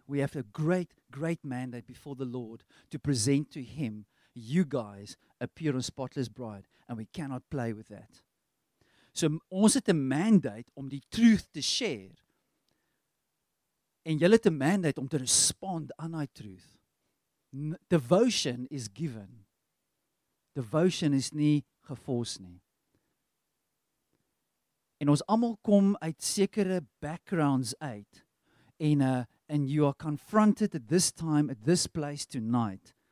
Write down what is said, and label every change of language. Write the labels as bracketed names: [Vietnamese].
[English] We have a great, great mandate before the Lord to present to him, you guys, a pure and spotless bride. And we cannot play with that. [Afrikaans] So, ons het 'n mandate om die truth te share. En jy het 'n mandate om te respond aan die truth. [English] Devotion is given. [Afrikaans] Devotion is nie geforce nie. En ons allemaal kom uit sekere backgrounds uit. [English] And you are confronted at this time, at this place tonight.